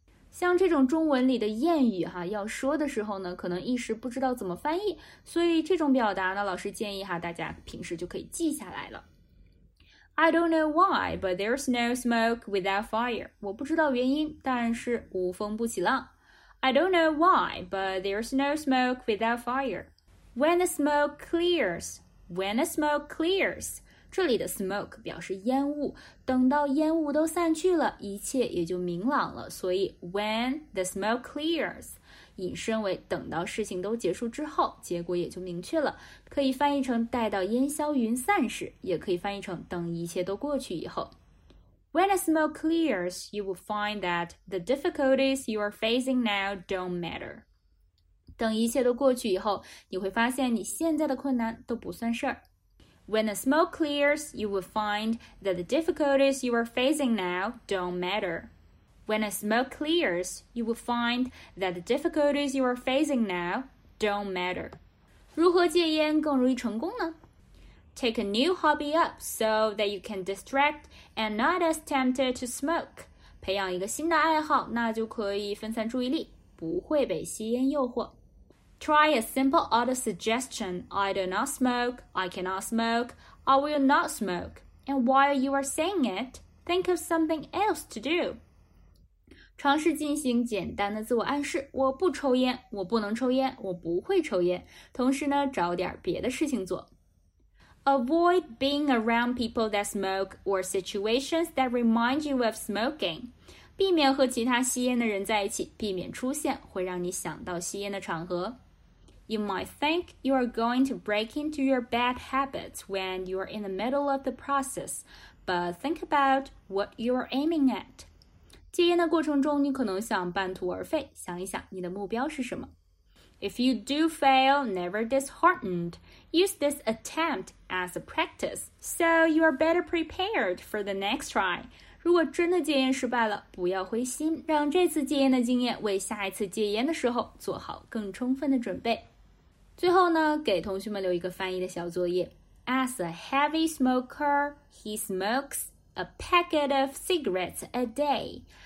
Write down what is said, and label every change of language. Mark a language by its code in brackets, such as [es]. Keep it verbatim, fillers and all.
[zh] 像这种中文里的谚语哈，要说的时候呢，可能一时不知道怎么翻译，所以这种表达呢，老师建议哈，大家平时就可以记下来了。 [en] I don't know why, but there's no smoke without fire. [zh] 我不知道原因，但是无风不起浪。 [en] I don't know why, but there's no smoke without fire. When the smoke clears, when the smoke clears. [zh] 这里的 smoke 表示烟雾，等到烟雾都散去了，一切也就明朗了，所以 [en] when the smoke clears [zh] 引申为等到事情都结束之后，结果也就明确了，可以翻译成待到烟消云散时，也可以翻译成等一切都过去以后。 [en] When the smoke clears, you will find that the difficulties you are facing now don't matter. [zh] 等一切都过去以后，你会发现你现在的困难都不算事儿。 [en] When the smoke clears, you will find that the difficulties you are facing now don't matter. When the smoke clears, you will find that the difficulties you are facing now don't matter. [zh] 如何戒烟更容易成功呢？ [en] Take a new hobby up so that you can distract and not as tempted to smoke. [zh] 培养一个新的爱好，那就可以分散注意力，不会被吸烟诱惑。 [en] Try a simple other suggestion. I do not smoke. I cannot smoke. I will not smoke. And while you are saying it, think of something else to do. [zh] 尝试进行简单的自我暗示，我不抽烟，我不能抽烟，我不会抽烟。同时呢，找点别的事情做。 [en] Avoid being around people that smoke or situations that remind you of smoking. [zh] 避免和其他吸烟的人在一起，避免出现会让你想到吸烟的场合。 [en] You might think you are going to break into your bad habits when you are in the middle of the process, but think about what you are aiming at. [zh] 戒烟的过程中，你可能想半途而废，想一想你的目标是什么。 [en] If you do fail, never disheartened. Use this attempt as a practice, so you are better prepared for the next try. [zh] 如果真的戒烟失败了，不要灰心，让这次戒烟的经验为下一次戒烟的时候做好更充分的准备。最后呢，给同学们留一个翻译的小作业。 [en] As a heavy smoker, he smokes a packet of cigarettes a day.